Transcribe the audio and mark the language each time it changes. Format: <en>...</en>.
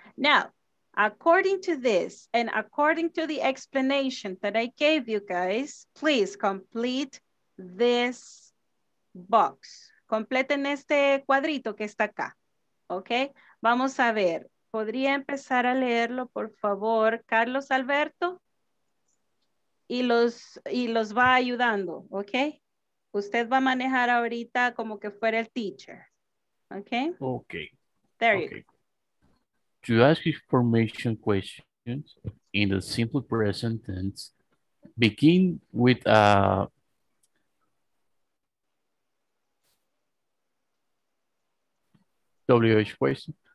<en>Now, according to this and according to the explanation that I gave you guys, please complete this box.</en> <es>Completen este cuadrito que está acá. Okay. Vamos a ver. ¿Podría empezar a leerlo, por favor, Carlos Alberto? Y los va ayudando. Okay. Usted va a manejar ahorita como que fuera el teacher. Okay? Okay.</es> <en>There you go. To ask information questions in the simple present tense, begin with a WH question.</en>